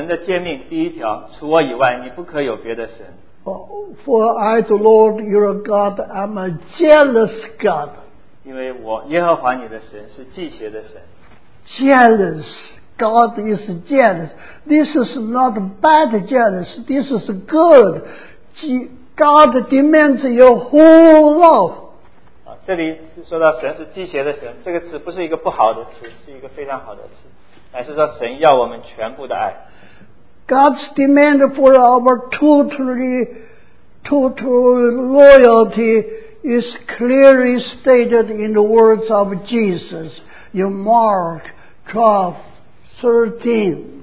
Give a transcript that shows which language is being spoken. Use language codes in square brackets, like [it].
[zh] 在出埃及记，神的诫命第一条，除我以外，你不可有别的神。 [en] For I, the Lord, your God, am a jealous God. [zh] 因为我耶和华你的神是忌邪的神。 [en] Jealous, God is jealous. This is not bad jealous, this is good. God demands your whole love. [zh] 这里说到神是忌邪的神，这个词不是一个不好的词，是一个非常好的词。乃是说神要我们全部的爱。 [en] God's demand for our total loyalty is clearly stated in the words of Jesus in Mark 12:13.